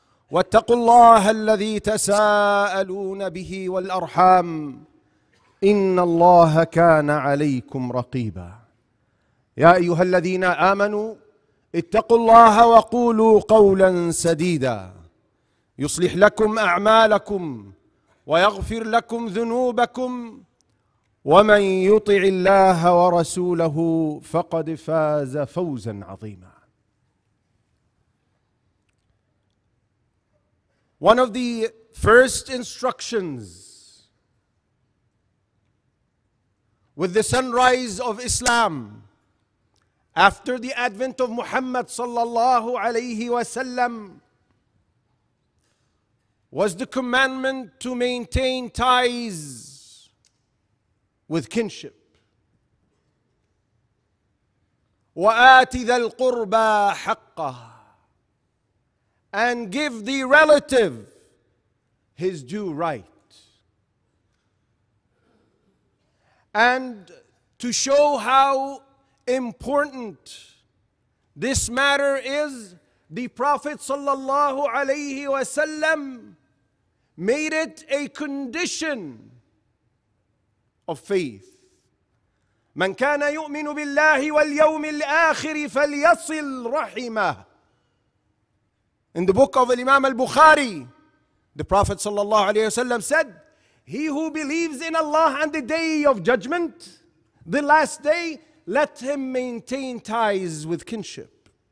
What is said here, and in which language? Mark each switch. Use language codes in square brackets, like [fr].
[ar] واتقوا الله الذي تساءلون به والأرحام إن الله كان عليكم رقيبا يا أيها الذين آمنوا اتقوا الله وقولوا قولا سديدا يصلح لكم أعمالكم ويغفر لكم ذنوبكم ومن يطع الله ورسوله فقد فاز فوزا عظيما. [en] One of the first instructions with the sunrise of Islam after the advent of Muhammad [ar] صلى الله عليه وسلم [en] was the commandment to maintain ties with kinship. [ar] وَآتِ ذَا الْقُرْبَى حَقَّهَ [en] and give the relative his due right. And to show how important this matter is, the Prophet [ar] صلى الله عليه وسلم [en] made it a condition of faith. [ar] من كان يؤمن بالله واليوم الآخر فليصل رحمه. [en] In the book of Imam al-Bukhari, the Prophet [ar] صلى الله عليه وسلم [en] said, he who believes in Allah and the day of judgment, the last day, let him maintain ties with kinship.